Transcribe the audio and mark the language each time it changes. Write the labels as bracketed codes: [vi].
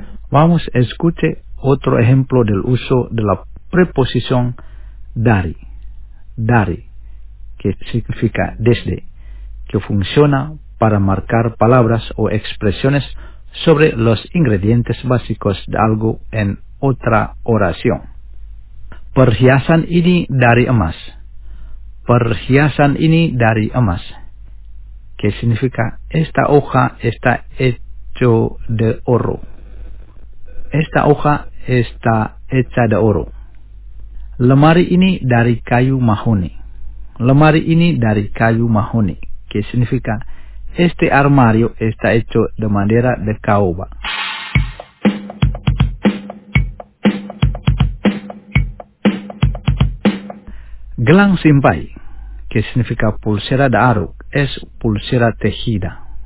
[es] Vamos a escuchar otro ejemplo del uso de la preposición dari. Dari, que significa desde, que funciona para marcar palabras o expresiones sobre los ingredientes básicos de algo en otra oración. [id] Perhiasan ini dari emas. Perhiasan ini dari emas. [es] Que significa esta hoja está hecho de oro. Esta hoja está hecha de oro. [id] Lemari ini dari kayu mahoni. Lemari ini dari kayu mahoni. [es] Que significa este armario está hecho de madera de caoba. [id] Gelang simpai, [es] que significa pulsera de aro, es pulsera tejida.